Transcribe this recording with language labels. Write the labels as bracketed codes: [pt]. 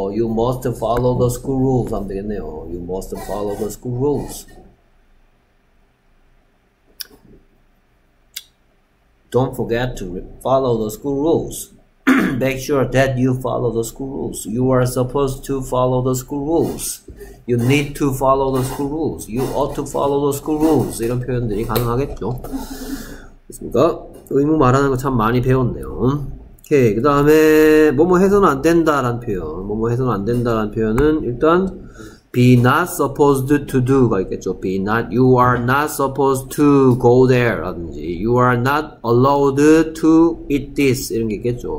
[en] You must follow the school rules [ko] 하면 되겠네요. [en] You must follow the school rules. Don't forget to follow the school rules. Make sure that you follow the school rules. You are supposed to follow the school rules. You need to follow the school rules. You ought to follow the school rules. [ko] 이런 표현들이 가능하겠죠. 됐습니까? 의무 말하는 거 참 많이 배웠네요. 오케이. 그 다음에, 뭐뭐 해서는 안 된다라는 표현. 뭐뭐 해서는 안 된다라는 표현은 일단, [en] be not supposed to do [ko] 가 있겠죠. [en] be not, you are not supposed to go there 라든지, you are not allowed to eat this [ko] 이런 게 있겠죠.